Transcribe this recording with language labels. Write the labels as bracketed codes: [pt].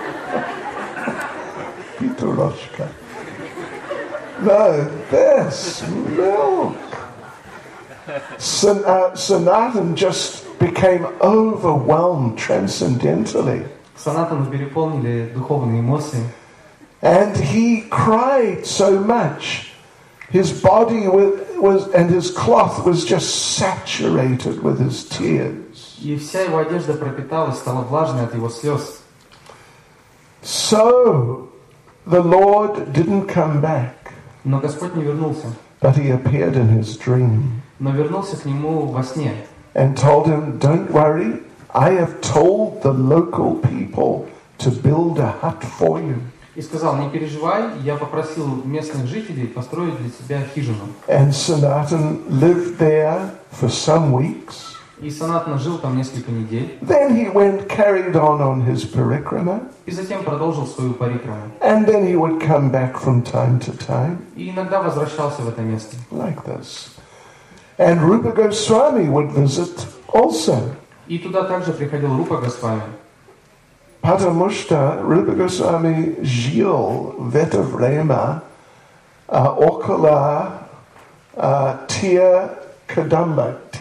[en] Pichorochka. No, this milk. Sanatan just became overwhelmed transcendentally. [ru] Санатану переполнили духовные эмоции. [en] And he cried so much. His body was and his cloth was just saturated with his tears. [ru] И вся его одежда пропиталась, стала влажной от его слез. [en] So the Lord didn't come back. [ru] Но Господь не вернулся. [en] But he appeared in his dream. [ru] Но вернулся к нему во сне. [en] And told him, don't worry, I have told the local people to build a hut for you. [ru] И сказал: не переживай, я попросил местных жителей построить для тебя хижину. [en] And Sanatan lived there for some weeks. [ru] И Санатана жил там несколько недель. [en] Then he went, carried on his parikrama. [ru] И затем продолжил свою парикраму. [en] And then he would come back from time to time. [ru] И иногда возвращался в это место. [en] Like this. And Rupa Goswami would visit also. [ru] И туда также приходил Рупа Госвами. Потому что Рупа Госвами жил в это время около Тиркадамба.